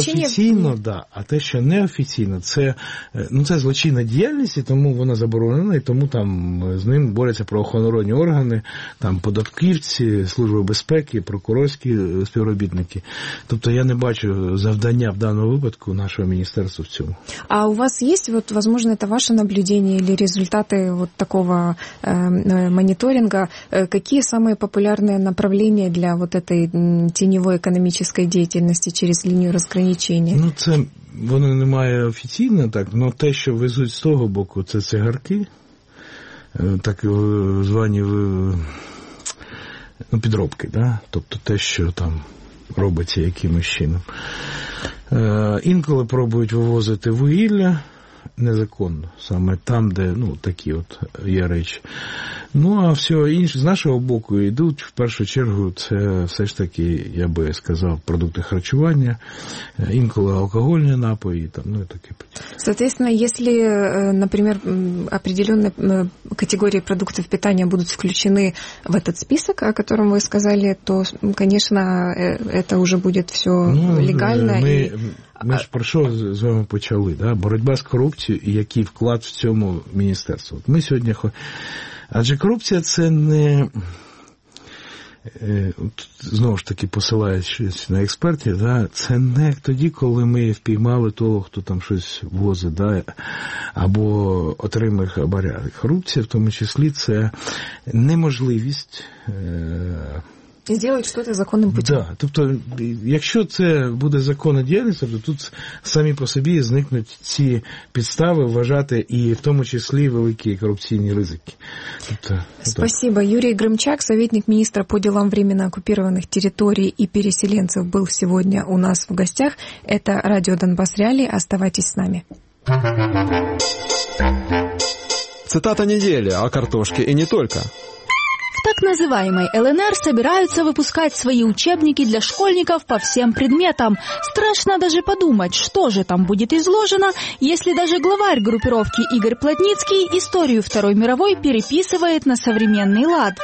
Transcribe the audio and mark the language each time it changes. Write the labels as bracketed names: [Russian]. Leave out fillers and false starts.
[Ukrainian] Те, що офіційно, так, да, а те, що неофіційно, це, ну, це злочинна діяльність, тому вона заборонена, і тому там з ним борються правоохоронні органи, там податківці, служби безпеки, прокурорські співробітники. Тобто я не бачу завдання в даному конкретного выпадку [Russian] нашего министерства [Ukrainian] в цьому. [Russian] А у вас есть, вот, возможно, это ваше наблюдение или результаты вот такого мониторинга, какие самые популярные направления для вот этой теневой экономической деятельности через линию разграничения? [Ukrainian] Ну, це воно немає офіційно так, но те, що везуть з того боку, це цигарки, так звані підробки, да? Тобто те, що там робиться якимось чином. Інколи пробують вивозити вугілля незаконно, саме там, де такі от є речі. Ну, а все інше, з нашого боку йдуть, в першу чергу, це все ж таки, я би сказав, продукти харчування, інколи алкогольні напої, і таке. [Russian] Соответственно, если, например, определенные категории продуктов питания будут включены в этот список, о котором вы сказали, то, конечно, это уже будет все легально. [Ukrainian] Ми ж про що з вами почали, да? Боротьба з корупцією і який вклад в цьому міністерство. От ми сьогодні адже корупція це не знову ж таки посилаючись на експертів, да? Це не тоді, коли ми впіймали того, хто там щось возить, да? Або отримує хабаря. Корупція в тому числі це неможливість зробити щось законним путем. Так, да, тобто, якщо це буде законна діяльність, то тут самі по собі зникнуть ці підстави вважати і в тому числі великі корупційні ризики. Тобто, спасибо. Так. Юрій Гримчак, советник міністра по ділам временно окупованих територій і переселенців, був сьогодні у нас в гостях. Це Радіо Донбас Реалії. Оставайтесь з нами. Цитата неділі о картошці і не тільки. [Russian] Так называемой ЛНР собираются выпускать свои учебники для школьников по всем предметам. Страшно даже подумать, что же там будет изложено, если даже главарь группировки Игорь Плотницкий историю Второй мировой переписывает на современный лад.